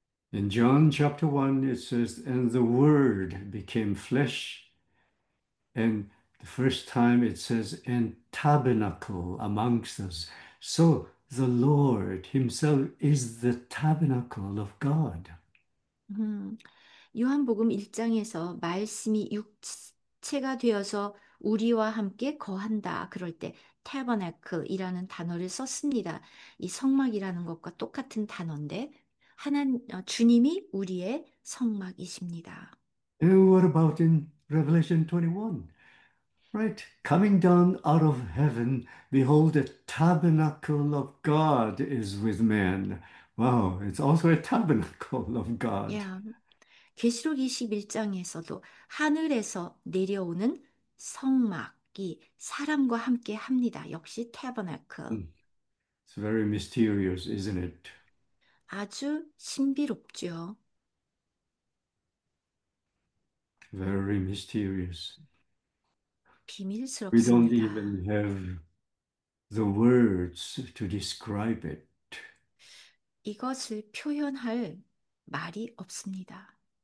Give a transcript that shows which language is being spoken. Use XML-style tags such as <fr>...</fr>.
<en>In John chapter 1, it says, and the Word became flesh. And the first time it says, and tabernacle amongst us. So the Lord Himself is the tabernacle of God.</en> <ko>요한복음 1장에서 말씀이 육체가 되어서 우리와 함께 거한다. 그럴 때 태버나클이라는 단어를 썼습니다. 이 성막이라는 것과 똑같은 단어인데 주님이 우리의 성막이십니다.</ko> <en>And what about in Revelation 21? Right? Coming down out of heaven, behold, a tabernacle of God is with man. Wow, it's also a tabernacle of God.</en> <ko>계시록 21장에서도 하늘에서 내려오는 성막이 사람과 함께 합니다. 역시 태버나클.</ko> <en>It's very mysterious, isn't it?</en> <ko>아주 신비롭죠.</ko> <en>Very mysterious. We don't</en> <ko>비밀스럽습니다.</ko> <en>even have the words to describe it.</en> <ko>이것을 표현할 말이 없습니다.</ko>